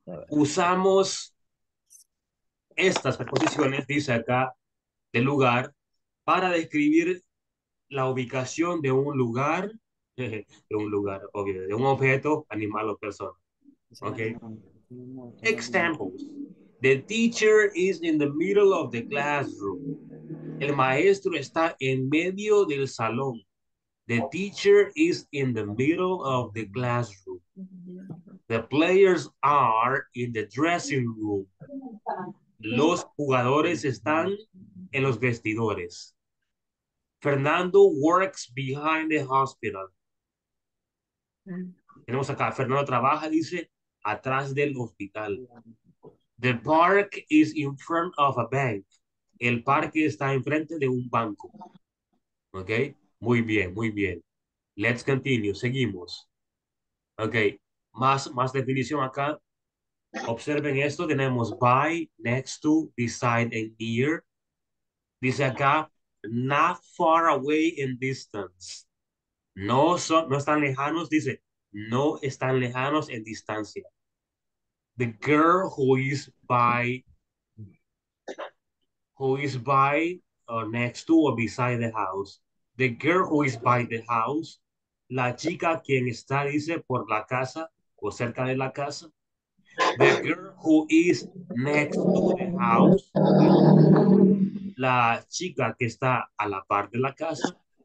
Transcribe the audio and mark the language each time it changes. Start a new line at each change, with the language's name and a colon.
Spanish: Usamos estas preposiciones, dice acá, de lugar, para describir la ubicación de un lugar, obvio, de un objeto, animal, o persona.
English: Okay. Examples. The teacher is in the middle of the classroom.
Spanish: El maestro está en medio del salón.
English: The teacher is in the middle of the classroom. The players are in the dressing room.
Spanish: Los jugadores están en los vestidores.
English: Fernando works behind the hospital.
Spanish: Tenemos acá, Fernando trabaja, dice, atrás del hospital.
English: The park is in front of a bank.
Spanish: El parque está enfrente de un banco. Ok, muy bien.
English: Let's continue,
Spanish: seguimos. Ok, más definición acá. Observen esto, tenemos by, next to, beside, and near. Dice acá,
English: not far away in distance.
Spanish: No están lejanos, dice, no están lejanos en distancia.
English: The girl who is by or next to or beside the house. The girl who is by the house.
Spanish: La chica quien está, dice, por la casa o cerca de la casa.
English: The girl who is next to the house.
Spanish: La chica que está a la par de la casa.